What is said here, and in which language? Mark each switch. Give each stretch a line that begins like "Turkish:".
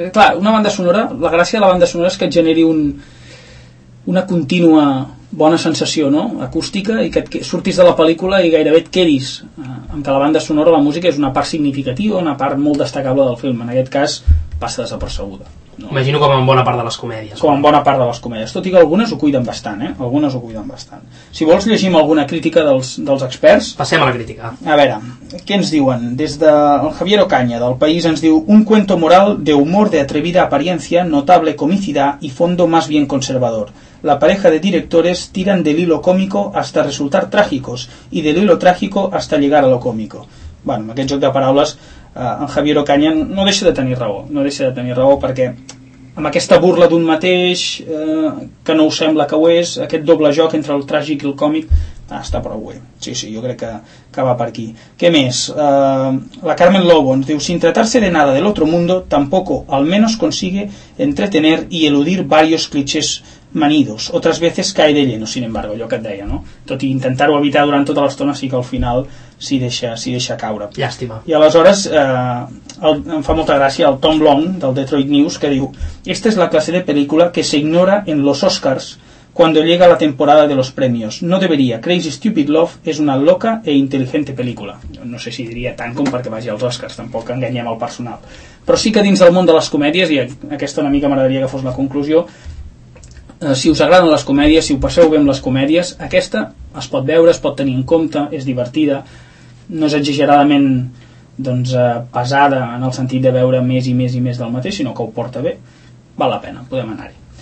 Catalan: Clar, una banda sonora, la gràcia de la banda sonora és que et generi una contínua bona sensació, no?, acústica, i que surtis de la pel·lícula i gairebé et quedis amb que la banda sonora, la música, és una part significativa, una part molt destacable del film. En aquest cas, passa desapercebuda. No? Imagino com en bona part de les comèdies. Com en bona part de les comèdies, tot i que algunes ho cuiden bastant, eh? Algunes ho cuiden bastant. Si vols, llegim alguna crítica dels experts. Passem a la crítica. A veure, què ens diuen? Des del Javier Ocaña, del País, ens diu:
Spanish: un cuento moral de humor de atrevida apariencia, notable comicidad y fondo más bien conservador. La pareja de directores tiran del hilo cómico hasta resultar trágicos y del hilo trágico hasta llegar a lo cómico.
Catalan: Bueno, en aquest joc de paraules, en Javier Ocaña no deixa de tenir raó, no deixa de tenir raó, perquè amb aquesta burla d'un mateix, que no ho sembla que ho és, aquest doble joc entre el tràgic i el còmic, està prou bé. Sí, sí, jo crec que va per aquí. Què més? La Carmen Lobo ens diu:
Spanish: sin tratarse de nada del otro mundo, tampoco al menos consigue entretener y eludir varios clichés manidos, otras veces cae de lleno, sin embargo,
Catalan: allò que et deia, no? Tot i intentar-ho evitar durant tota l'estona, sí que al final s'hi deixa caure. Llàstima. I aleshores, em fa molta gràcia el Tom Long, del Detroit News, que diu:
Spanish: esta es la clase de película que se ignora en los Oscars cuando llega la temporada de los premios. No debería. Crazy Stupid Love es una loca e inteligente película.
Catalan: No sé si diria tant com perquè vagi als Oscars, tampoc enganyem el personal. Però sí que dins del món de les comèdies, i aquesta una mica m'agradaria que fos la conclusió, si us agraden les comèdies, si ho passeu bé amb les comèdies, aquesta es pot veure, es pot tenir en compte, és divertida, no és exageradament pesada en el sentit de veure més i més i més del mateix, sinó que ho porta bé, val la pena, podem anar-hi.